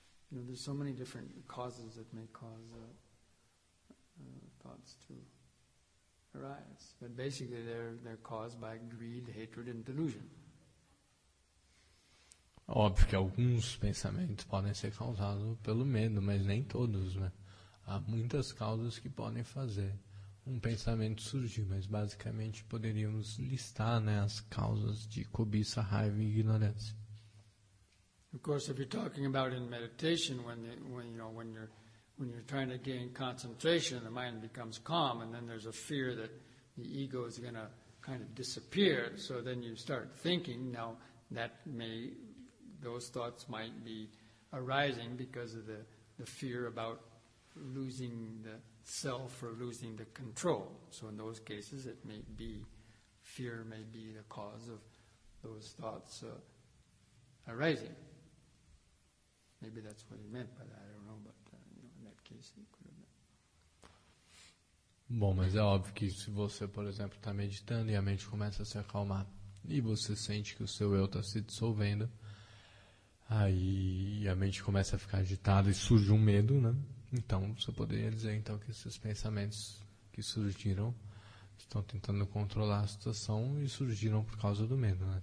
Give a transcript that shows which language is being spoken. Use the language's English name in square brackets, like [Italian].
[English] There's so many different causes that may cause thoughts to arise. But basically, they're caused by greed, hatred, and delusion. [Portuguese] Óbvio que alguns pensamentos podem ser causados pelo medo, mas nem todos, né? Há muitas causas que podem fazer um pensamento surgir, mas basicamente poderíamos listar, né, as causas de cobiça, raiva e ignorância. [English] Of course, if you're talking about in meditation, when you're trying to gain concentration, the mind becomes calm, and then there's a fear that the ego is going to kind of disappear. So then you start thinking. Now that may, those thoughts might be arising because of the fear about losing the self or losing the control. So in those cases, it may be fear may be the cause of those thoughts arising. Maybe that's what he meant by that. I don't know, but in that case, he could have meant. [Portuguese] Bom, mas é óbvio que se você, por exemplo, está meditando e a mente começa a se acalmar e você sente que o seu eu está se dissolvendo, aí a mente começa a ficar agitada e surge um medo, né? Então, você poderia dizer, então, que esses pensamentos que surgiram estão tentando controlar a situação e surgiram por causa do medo, né?